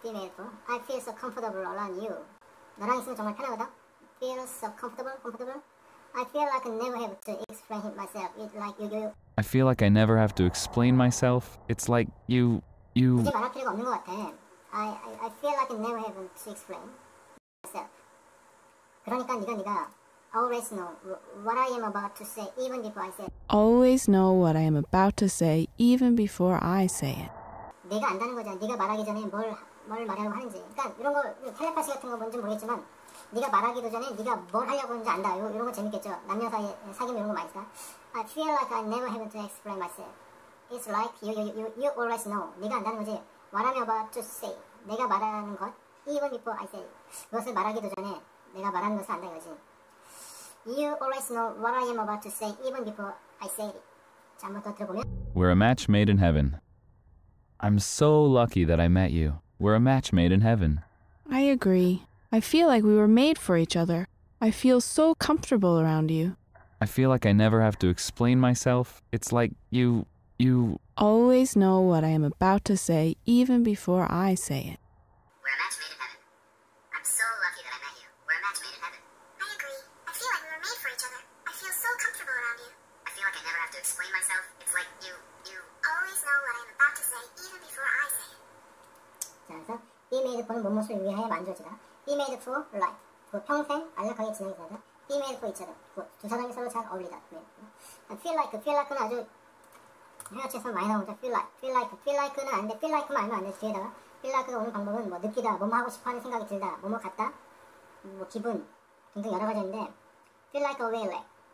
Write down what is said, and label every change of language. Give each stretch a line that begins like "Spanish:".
English: Be made for. I feel so comfortable around you.
Korean: 너랑 있으면 정말 편하거든.
English: Feel so comfortable. Comfortable. I feel like I never have to explain myself. It's like you. I feel like I never have to explain myself. It's like you. You.
Korean: 이제 말할 필요가 없는 것 같아.
English: I feel like I never have to explain myself.
Korean: 그러니까 네가
English: always know what I am about to say even before I say it. Always know what I am about to say even before I say it.
Korean: 내가 안다는 거잖아. 네가 말하기 전에 뭘 말하려고 하는지. 그러니까 이런 거 텔레파시 같은 거 뭔지 모르겠지만 네가 말하기도 전에 네가 뭘 하려고 하는지 안다. 이런 거 재밌겠죠. 남녀 사이 사귀면 이런 거 많이 있다.
English: I feel like I never have to explain myself. It's like you always know.
Korean: 네가 안다는 거지.
English: What I'm about to say.
Korean: 내가 말하는 것.
English: Even before I say.
Korean: 그것을 말하기도 전에 내가 말하는 것을 안다 이거지.
English: You always know what I am about to say even before I say it.
Korean: 자, 한번 더 들어보면.
English: We're a match made in heaven. I'm so lucky that I met you. We're a match made in heaven. I agree. I feel like we were made for each other. I feel so comfortable around you. I feel like I never have to explain myself. It's like you... Always know what I am about to say even before I say it. We're a match made in heaven. I'm so lucky that I met you. We're a match made in heaven. I agree. I feel like we were made for each other. I feel so comfortable around you. I feel like I never have to explain myself. It's like you... Always know what I am about to say even before I say it.
Korean: 자, 그래서 be made for는 뭔 모습을 위하여 만들어지다.
English: Be made for life.
Korean: 그 평생 안락하게 지내겠다.
English: Be made for each other.
Korean: 그 두 사람이 서로 잘 어울리다. Feel like는 아주 헤어치에서 많이 나오죠. Feel like는 안 돼. Feel like 말하면 안 돼. 뒤에다가 feel like가 오는 방법은 뭐 느끼다, 뭐 하고 싶어하는 생각이 들다, 뭐 같다, 뭐 기분 등등 여러 가지인데
English: feel like a whale.